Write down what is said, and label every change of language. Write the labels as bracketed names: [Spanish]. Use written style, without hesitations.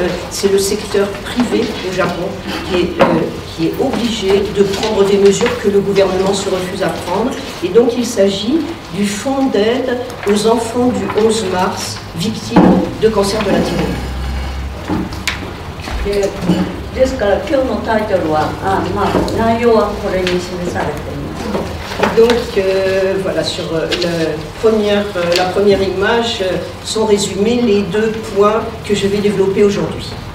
[French] C'est le secteur privé au Japon qui est obligé de prendre des mesures que le gouvernement se refuse à prendre. Et donc il s'agit du fonds d'aide aux enfants du 11 mars victimes de cancer de la thyroïde. [Japanese] ですから今日のタイトルは、内容はこれに示されています。 [French] Donc voilà, sur la première image sont résumés les deux points que je vais développer aujourd'hui.